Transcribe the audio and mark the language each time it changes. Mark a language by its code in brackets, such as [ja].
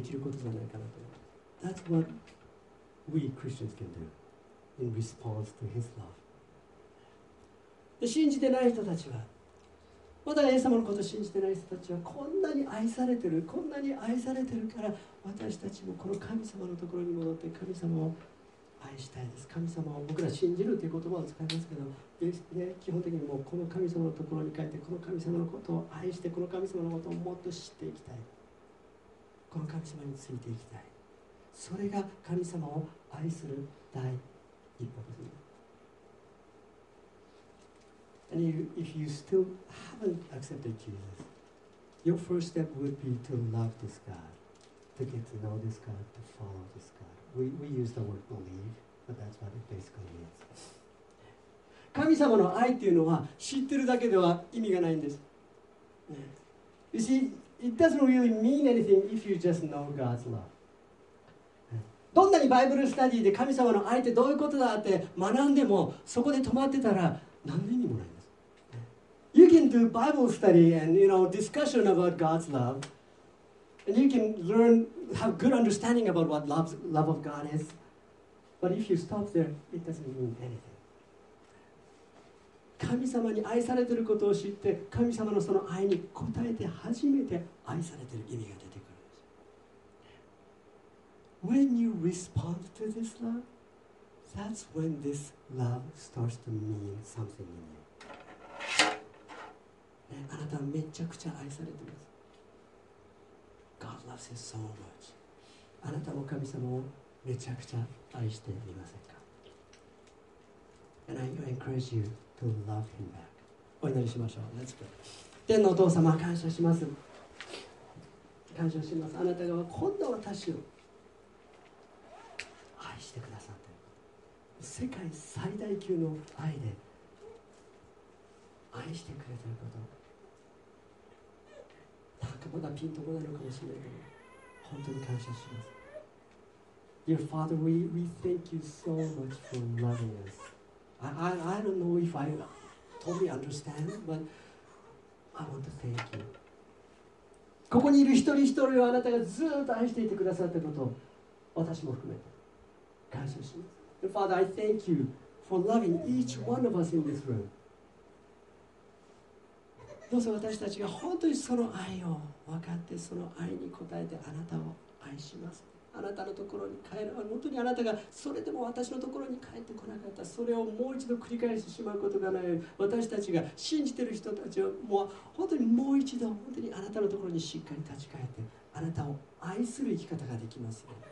[ja] 私たち信じている人のものにできることじゃないかなと思います。 [en] That's what we Christians can do in response to His love. [ja] で、 信じてない人たちは、まだイエス様のことを信じてない人たちは、こんなに愛されてる、こんなに愛されてるから、私たちもこの神様のところに戻って、神様を愛したいです。神様を僕ら信じるという言葉を使いますけど、 で、基本的にもうこの神様のところに帰って、この神様のことを愛して、この神様のことをもっと知っていきたい。この神様についていきたい。それが神様を愛する第一歩ですね。 [en] And if you still haven't accepted Jesus, your first step would be to love this God, to get to know this God, to follow this God. We use the word believe, but that's what it basically means. [ja] 神様の愛っていうのは知ってるだけでは意味がないんです。 [en] You see, it doesn't really mean anything if you just know God's love. [ja] どんなにバイブルスタディで神様の愛ってどういうことだって学んでもそこで止まってたら何の意味もないんです。 [en] You can do Bible study and you know discussion about God's love, and you can learn have good understanding about what love of God is, but if you stop there, it doesn't mean anything. [ja] 神様に愛されていることを知って、神様のその愛に応えて初めて愛されている意味が出てくるんです。 [en] When you respond to this love, that's when this love starts to mean something in you.、 [ja] ね、あなたはめちゃくちゃ愛されています。 [en] God loves you so much. [ja] あなたも神様をめちゃくちゃ愛していませんか? [en] And I encourage you. To love him back. [ja] お祈りしましょう。 [en] Let's pray. [ja] 天のお父様、感謝します。感謝します。あなたがこんな私を愛してくださって、世界最大級の愛で愛してくれていること、なんかまだピンとこないのかもしれないけど、本当に感謝します。 [en] Dear Father, we thank you so much for loving us. I don't know if I totally understand, but I want to thank you. [ja] ここにいる一人一人をあなたがずっと愛していてくださったことを私も含めて感謝します。 [en] Father, I thank you for loving each one of us in this room. [ja] どうぞ私たちが本当にその愛を分かってその愛に応えてあなたを愛します。あなたのところに帰る、本当にあなたがそれでも私のところに帰ってこなかった、それをもう一度繰り返してしまうことがない、私たちが信じている人たちは、もう本当にもう一度、本当にあなたのところにしっかり立ち返って、あなたを愛する生き方ができますよ。